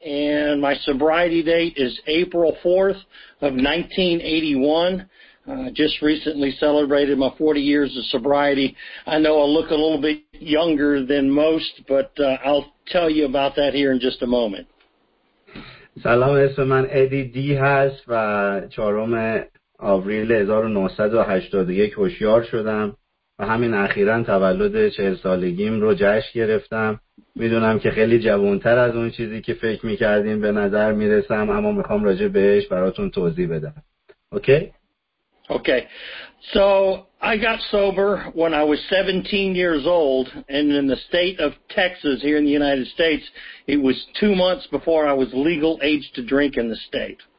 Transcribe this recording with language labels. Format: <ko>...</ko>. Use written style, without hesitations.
<en>And my sobriety date is April 4th of 1981. Just recently celebrated my 40 years of sobriety. I know I look a little bit younger than most, but I'll tell you about that here in just a moment.</en> <fa>سلام، اسم من ادی دی هست و 4 آوریل 1981 هوشیار شدم و همین اخیراً تولد 40 سالگیم رو جشن گرفتم. میدونم که خیلی جوانتر از اون چیزی که فکر میکردیم به نظر میرسم، اما میخوام راجع بهش براتون توضیح بدم.</fa> <en>Okay? Okay. So I got sober when I was 17 years old, and in the state of Texas here in the United States, it was 2 months before I was legal age to drink in the state.</en>